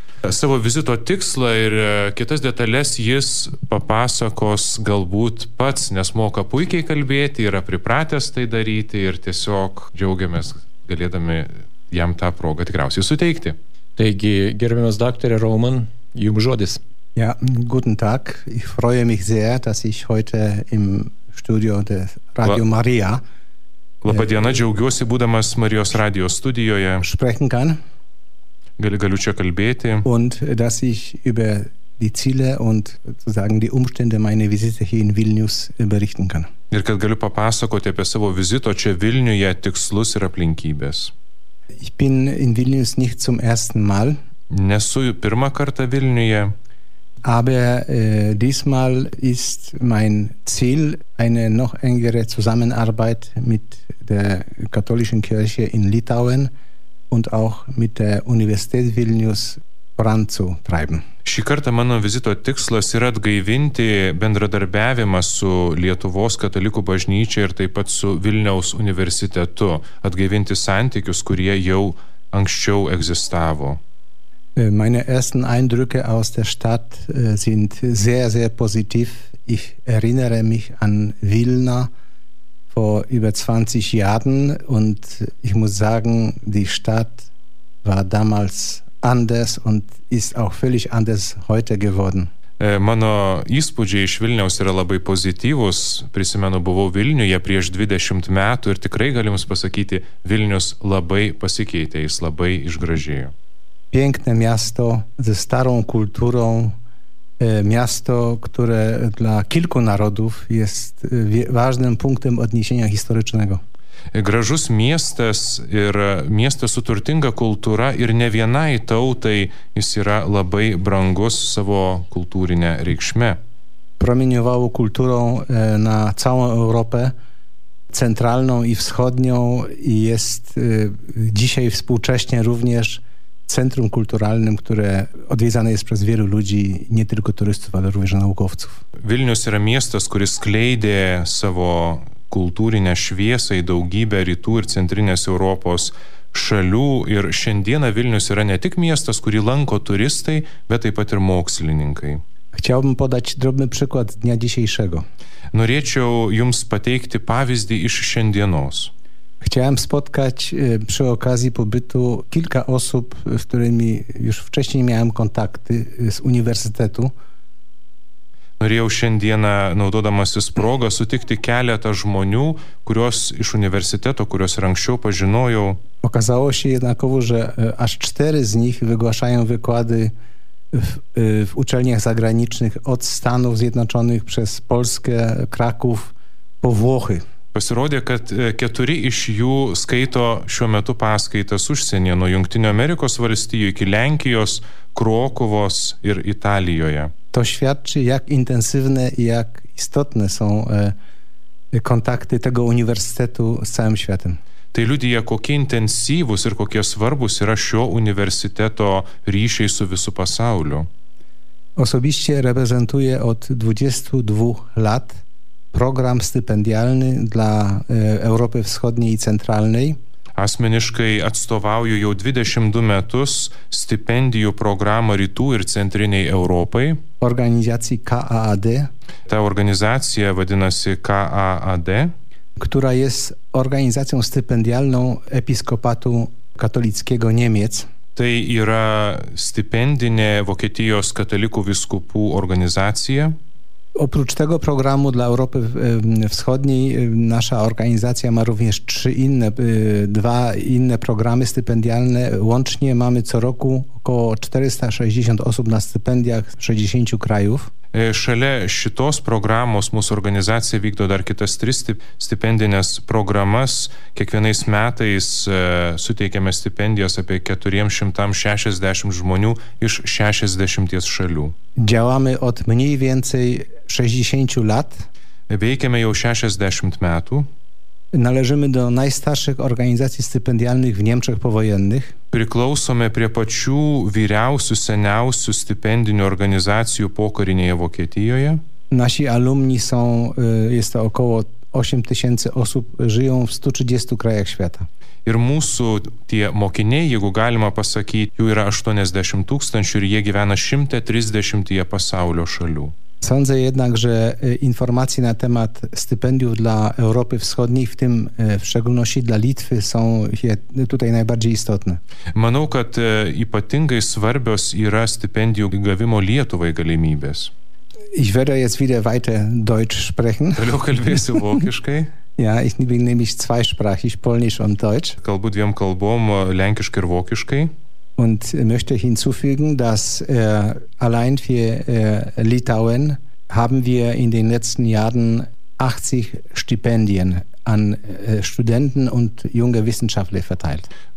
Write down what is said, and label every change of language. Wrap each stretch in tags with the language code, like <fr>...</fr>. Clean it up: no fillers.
<lt>Savo vizito tikslą ir kitas detales jis papasakos galbūt pats, nes moka puikiai kalbėti, yra pripratęs tai daryti ir tiesiog džiaugiamės galėdami jam tą progą tikriausiai suteikti. Taigi, gerbiamas daktare Roman, jums žodis.</lt> <de>Ja, guten Tag. Ich freue mich sehr, dass ich heute im Studio de Radio Maria.</de> <lt>Labą dieną, džiaugiuosi būdamas Marijos radijos studijoje.</lt> <de>Sprechen kann.</de> <lt>Galiu čia kalbėti.</lt> <de>Und dass ich über die Ziele und sozusagen die Umstände meiner Visite hier in Vilnius berichten kann.</de> <lt>Ir kad galiu papasakoti apie savo vizito čia Vilniuje tikslus ir aplinkybės.</lt> <de>Ich bin in Vilnius nicht zum ersten Mal.</de> <lt>Nesu pirmą kartą Vilniuje.</lt> <de>Aber diesmal ist mein Ziel eine noch engere Zusammenarbeit mit der katholischen Kirche in Litauen und auch mit der Universität Vilnius voranzutreiben.</de> <lt>Šį kartą mano vizito tikslas yra atgaivinti bendradarbiavimą su Lietuvos katalikų bažnyčia ir taip pat su Vilniaus universitetu, atgaivinti santykius, kurie jau anksčiau egzistavo.</lt> <de>Meine ersten Eindrücke aus der Stadt sind sehr, sehr positiv. Ich erinnere mich an Vilna vor über 20 Jahren und ich muss sagen, die Stadt war damals anders und ist auch völlig anders heute geworden.</de> <lt>Mano įspūdžiai iš Vilniaus yra labai pozityvus. Prisimenu, buvau Vilniuje prieš 20 metų ir tikrai galim pasakyti, Vilnius labai pasikeitė, jis labai išgražėjo.</lt> <pl>Piękne miasto ze starą kulturą, miasto, które dla kilku narodów jest ważnym punktem odniesienia historycznego.</pl> <lt>Gražus miestas ir miestas su turtinga kultūra ir ne vienai tautai jis yra labai brangus savo kultūrinę reikšmę.</lt> <pl>Promieniovavo kultūrą na całą Europę, centralną i wschodnią i jest dzisiaj współcześnie również centrum kulturalnym, które odwiedzane jest przez wielu ludzi, nie tylko turystów, ale również naukowców.</pl> <lt>Vilnius yra miestas, kuris skleidė savo kultūrinę šviesą į daugybę rytų ir centrinės Europos šalių ir šiandieną Vilnius yra ne tik miestas, kurį lanko turistai, bet taip pat ir mokslininkai.</lt> <pl>Chciałbym podać drobny przykład dnia dzisiejszego.</pl> <lt>Norėčiau jums pateikti pavyzdį iš šiandienos.</lt> <pl>Chciałem spotkać przy okazji pobytu kilka osób, z którymi już wcześniej miałem kontakty z uniwersytetu.</pl> <lt>Norėjau šiandieną, naudodamasis progą, sutikti keletą žmonių, kuriuos iš universiteto, kuriuos ir anksčiau pažinojau.</lt> <pl>Okazało się jednakowo, że aż cztery z nich wygłaszają wykłady w uczelniach zagranicznych od Stanów Zjednoczonych przez Polskę, Kraków po Włochy.</pl> <lt>Pasirodė, kad keturi iš jų skaito šiuo metu paskaitas užsienyje, nuo Jungtinių Amerikos valstijų iki Lenkijos, Krokuvos ir Italijoje.</lt> <pl>to świadczy, jak intensywne i jak istotne są kontakty tego uniwersytetu z całym światem.</pl> <lt>Tai liudyje, kokie intensyvūs ir kokie svarbūs yra šio universiteto ryšiai su visu pasauliu.</lt> <pl>Osobiście reprezentuję od 22 lat program stypendialny dla Europy Wschodniej i Centralnej.</pl> <lt>Asmeniškai atstovauju jau 22 metus stipendijų programą Rytų ir Centriniai Europai.</lt> <pl>Organizacji KAAD.</pl> <lt>Ta organizacija vadinasi KAAD.</lt> <pl>Która jest organizacją stypendialną Episkopatu Katolickiego Niemiec.</pl> <lt>Tai yra stipendinė Vokietijos katalikų vyskupų organizacija.</lt> <pl>Oprócz tego programu dla Europy Wschodniej nasza organizacja ma również dwa inne programy stypendialne. Łącznie mamy co roku około 460 osób na stypendiach z 60 krajów.</pl> <lt>Šalia šitos programos mūsų organizacija vykdo dar kitas tris stipendines programas. Kiekvienais metais suteikiame stipendijas apie 460 žmonių iš 60 šalių.</lt> <pl>Džiavame od mniej więcej 60 lat.</pl> <lt>Veikiame jau 60 metų.</lt> <pl>Należymy do najstarszych organizacji stypendialnych w Niemczech powojennych.</pl> <lt>Priklausome prie pačių vyriausių, seniausių stipendinių organizacijų pokarinėje Vokietijoje.</lt> <pl>Nasi alumni są, jest to około 8000 osób, żyją w 130 krajach świata.</pl> <lt>Ir mūsų tie mokiniai, jeigu galima pasakyti, jų yra 80 tūkstančių ir jie gyvena 130 pasaulio šalių.</lt> <pl>Sądzę jednak, że informacje na temat stypendiów dla Europy Wschodniej, w tym w szczególności dla Litwy, są tutaj najbardziej istotne.</pl> <lt>Manau, kad ypatingai svarbios yra stipendijų gavimo Lietuvai galimybės.</lt> <de>Ich werde jetzt wieder weiter Deutsch sprechen.</de> <lt>Toliau kalbėsiu vokiškai.</lt> <de>Ja, ich bin nämlich zweisprachig, Polnisch und Deutsch.</de> <lt>Kalbu dviem kalbom, lenkiškai ir vokiškai.</lt> <de>Und möchte hinzufügen, dass allein für Litauen haben wir in den letzten Jahren 80 Stipendien an Studenten und junge Wissenschaftler verteilt.</de>